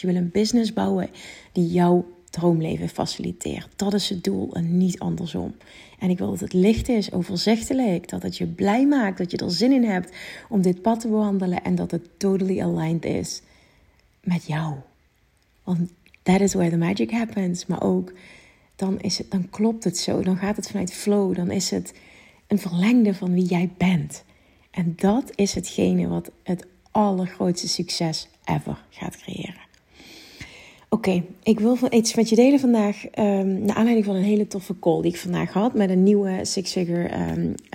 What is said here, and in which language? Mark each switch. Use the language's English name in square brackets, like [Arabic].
[Dutch] Je wil een business bouwen die jouw droomleven faciliteert. Dat is het doel en niet andersom. En ik wil dat het licht is, overzichtelijk. Dat het je blij maakt, dat je er zin in hebt om dit pad te bewandelen. En dat het [English] totally aligned [Dutch] is met jou. [English] Want that is where the magic happens. [Dutch] Maar ook, dan klopt het zo. Dan gaat het vanuit flow. Dan is het een verlengde van wie jij bent. En dat is hetgene wat het allergrootste succes ever gaat creëren. Oké, ik wil iets met je delen vandaag. Naar aanleiding van een hele toffe call die ik vandaag had met een nieuwe Six Figure.